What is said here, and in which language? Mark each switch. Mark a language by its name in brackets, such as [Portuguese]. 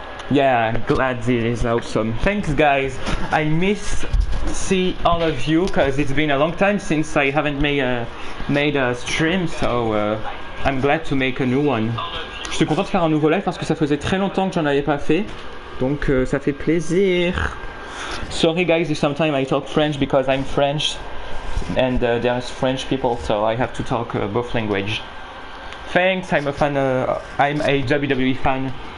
[English] Yeah, glad it is awesome. Thanks guys. I miss see all of you because it's been a long time since I haven't made a stream, so I'm glad to make a new one. [French] Je suis content de faire un nouveau live parce que ça faisait très longtemps que j'en avais pas fait. Donc ça fait plaisir. [English] Sorry guys if sometimes I talk French because I'm French and there's French people, so I have to talk both language. Thanks, I'm a fan I'm a WWE fan.